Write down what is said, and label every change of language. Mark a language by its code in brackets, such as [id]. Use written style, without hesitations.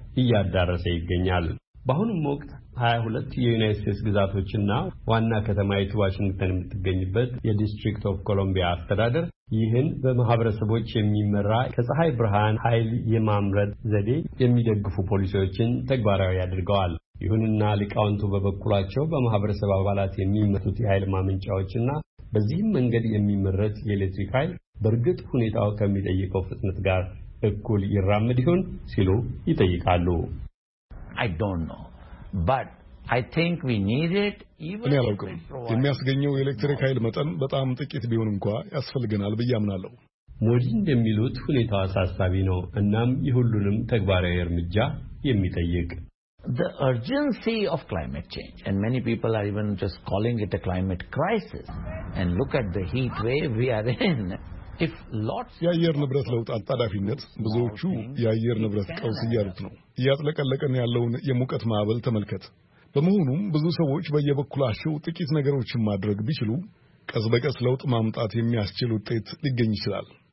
[am] እያዳረሰ ይገኛል። በአሁኑ ወቅት 22 የዩናይትድ ስቴትስ ግዛቶችና ዋና ከተማይቱ ዋሽንግተን የምትገኝበት የዲስትሪክት ኦፍ ኮሎምቢያ አስተዳደር ይህን በማህበረሰቦች የሚመራ ከፀሐይ ብርሃን ኃይል የማምረት ዘዴ የሚደግፉ ፖሊሲዎችን ተግባራዊ ያድርጋል። ይሁንና ሊቃውንቱ በበኩላቸው በማህበረሰብ አባላት የሚመጡት የኃይል ማመንጫዎችና በዚህም መንገድ የሚመረት የኤሌክትሪክ ኃይል በርግጥ ሁኔታው ከሚጠይቀው ፍጥነት ጋር እኩል ይራመድ ይሆን ሲሉ ይጠይቃሉ። [en] I don't know. But I think we need it even if it [am] የሚያስገኘው ኤሌክትሪክ ኃይል መጠን በጣም ጥቂት ቢሆን እንኳን ያስፈልገናል በእያምናለሁ። ሞዲ እንደሚሉት ሁኔታው አሳሳቢ ነው እናም ይሁሉንም ተግባራዊ እርምጃ የሚጠይቅ። [en] The urgency of climate change and many people are even just calling it a climate crisis and look at the heat wave we are in. If lots [am] የአየር ንብረት ለውጥ አጣዳፊነት ብዙዎቹ የአየር ንብረት ቀውስ ይያሉት ነው ያጥለቀለቀን ያለውን የሙቀት ማዕበል ተመልከት። በመሆኑም ብዙ ሰዎች በየበኩላቸው ጥቂት ነገሮችን ማድረግ ቢችሉ ቀስ በቀስ ለውጥ ማምጣት የሚያስችል ውጤት ሊገኝ ይችላል።